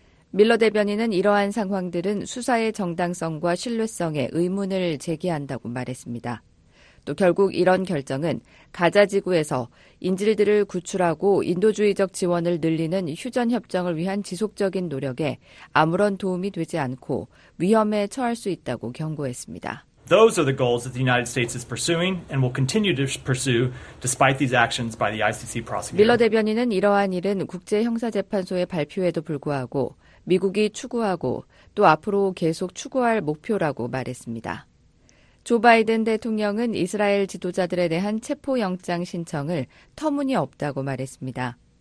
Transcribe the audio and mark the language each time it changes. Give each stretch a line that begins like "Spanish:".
Korean: 밀러 대변인은 이러한 상황들은 수사의 정당성과 신뢰성에 의문을 제기한다고 말했습니다. 또 결국 이런 결정은 가자지구에서 인질들을 구출하고 인도주의적 지원을 늘리는 휴전협정을 위한 지속적인 노력에 아무런 도움이 되지 않고 위험에 처할 수 있다고 경고했습니다.
English: Those are the goals that the United States is pursuing and will continue to pursue despite these actions by the ICC prosecutor.
Korean: 밀러 대변인은 이러한 일은 국제형사재판소의 발표에도 불구하고 미국이 추구하고 또 앞으로 계속 추구할 목표라고 말했습니다. 조 바이든 대통령은 이스라엘 지도자들에 대한 체포영장 신청을 터무니없다고 말했습니다.